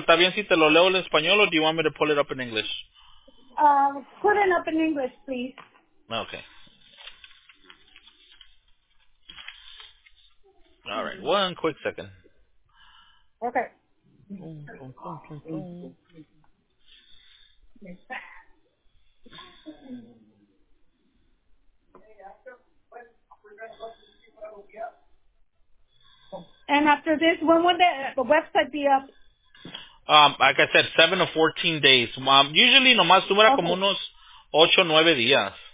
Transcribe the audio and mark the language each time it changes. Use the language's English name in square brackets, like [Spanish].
[Spanish] ¿Está bien si te lo leo en español o [English] do you want me to pull it up in English? Put it up in English, please. Okay. All right. One quick second. And after this, when would the website be up? Like I said, 7 to 14 days. [Spanish] Usually, nomás dura como unos 8 o 9 días.